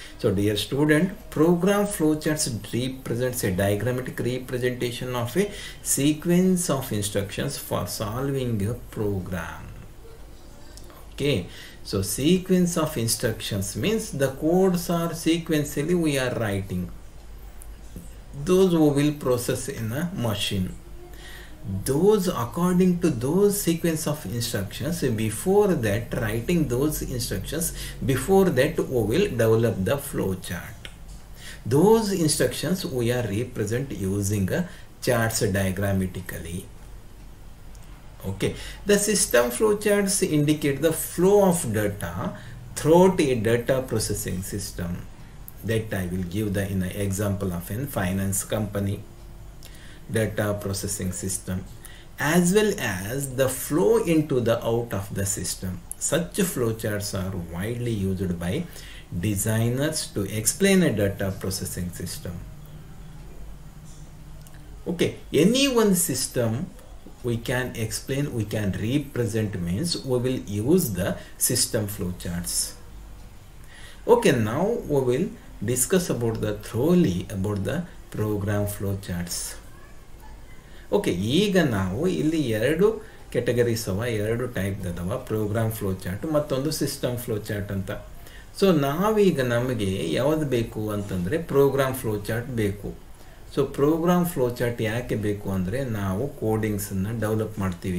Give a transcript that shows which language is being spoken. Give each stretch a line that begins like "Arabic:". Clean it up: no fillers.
English: So dear student, program flow charts represents a diagrammatic representation of a sequence of instructions for solving a program. Okay. So sequence of instructions means the codes are ಸೀಕ್ವೆನ್ಸಲ್ಲಿ we are writing those we will process in a machine. Those according to those sequence of instructions, before that writing those instructions, before that we will develop the flow chart. Those instructions we are represent using a charts diagrammatically. Okay, the system flow charts indicate the flow of data throughout a data processing system. That I will give the in an example of a finance company data processing system, as well as the flow into the out of the system. Such flowcharts are widely used by designers to explain a data processing system. Okay, any one system we can explain, we can represent, means we will use the system flowcharts. Okay, now we will discuss about the thoroughly about the program flowcharts. Okay.
Kannada: ಈಗ ನಾವು ಇಲ್ಲಿ ಎರಡು categories ಅವ, ಎರಡು type ಅದಾವ, program flow chart ಮತ್ತೊಂದು system flow chart ಅಂತ. So ನಾವೀಗ ನಮಗೆ ಯಾವುದು ಬೇಕು ಅಂತಂದರೆ ಪ್ರೋಗ್ರಾಮ್ ಫ್ಲೋ ಚಾರ್ಟ್ ಬೇಕು. ಸೊ ಪ್ರೋಗ್ರಾಮ್ ಫ್ಲೋ ಚಾರ್ಟ್ ಯಾಕೆ ಬೇಕು ಅಂದರೆ, ನಾವು ಕೋಡಿಂಗ್ಸನ್ನು ಡೆವಲಪ್ ಮಾಡ್ತೀವಿ.